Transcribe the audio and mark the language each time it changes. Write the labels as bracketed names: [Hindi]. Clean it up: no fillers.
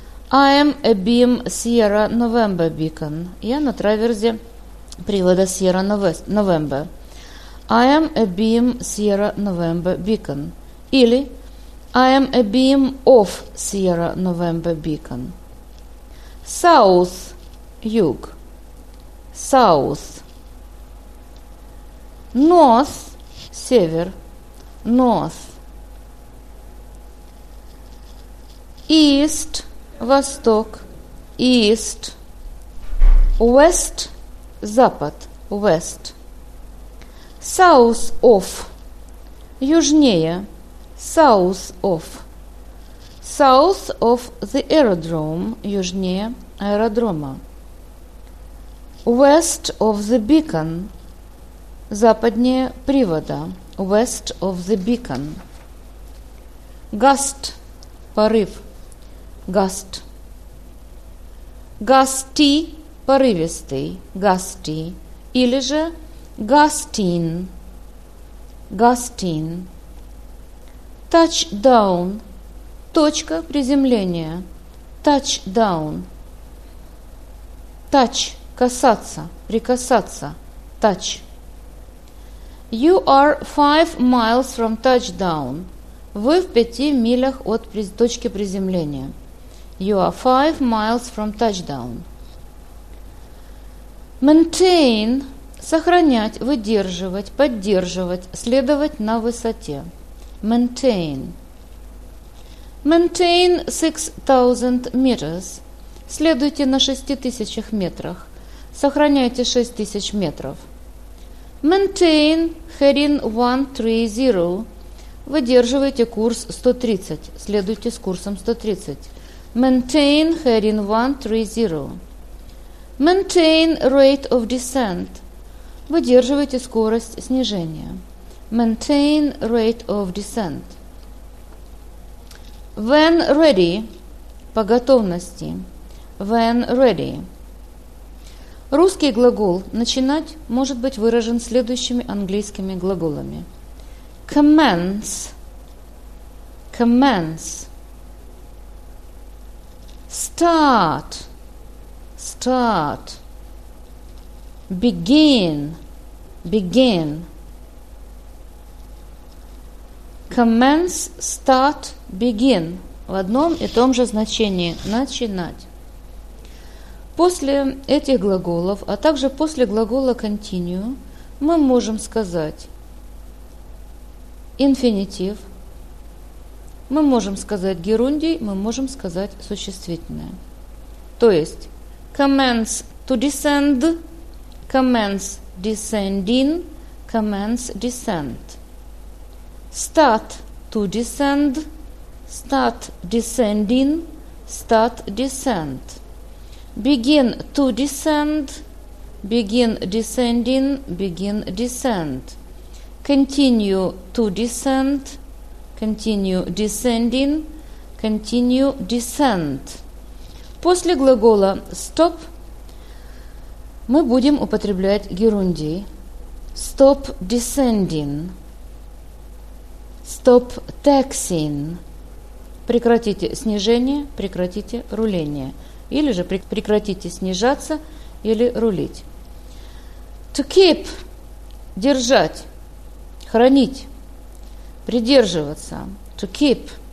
[English] I am a beam Sierra November beacon. [Russian] Я на траверзе привода Sierra November. [English] I am a beam Sierra November beacon. Или I am a beam of Sierra November beacon. South, юг. South. North, север. North. East, восток. East. West, запад. West. South of, южнее. South of. South of the aerodrome, [Russian] южнее аэродрома. [English] West of the beacon, [Russian] западнее привода. [English] West of the beacon. Gust, порыв. Gust. Gusty, порывистый, gusty. [Russian] Или же [English] gustin, gustin. Touchdown, [Russian] точка приземления, [English] touchdown. Touch, [Russian] касаться, прикасаться, [English] touch. You are 5 miles from touchdown. [Russian] Вы в 5 милях от точки приземления. [English] You are 5 miles from touchdown. [Russian] Maintain – сохранять, выдерживать, поддерживать, следовать на высоте. [English] Maintain. Maintain 6,000 meters. [Russian] Следуйте на 6,000 метрах. Сохраняйте 6,000 метров. [English] Maintain heading 130. [Russian] Выдерживайте курс 130. Следуйте с курсом 130. [English] Maintain heading 130. Maintain rate of descent. [Russian] Выдерживайте скорость снижения. [English] Maintain rate of descent. When ready. [Russian] По готовности. [English] When ready. [Russian] Русский глагол «начинать» может быть выражен следующими английскими глаголами. [English] Commence. Commence. Start. Start. Begin. Begin. Commence, start, begin. [Russian] В одном и том же значении «начинать». После этих глаголов, а также после глагола continue, мы можем сказать infinitive, мы можем сказать герундий, мы можем сказать существительное. То есть [English] commence to descend, commence descending, commence descend. Start to descend, start descending, start descend. Begin to descend, begin descending, begin descend. Continue to descend, continue descending, continue descend. [Russian] После глагола stop мы будем употреблять герундий. [English] Stop descending, stop taxiing. [Russian] Прекратите снижение, прекратите руление. Или же прекратите снижаться или рулить. To keep – держать, хранить, придерживаться. [English] To keep.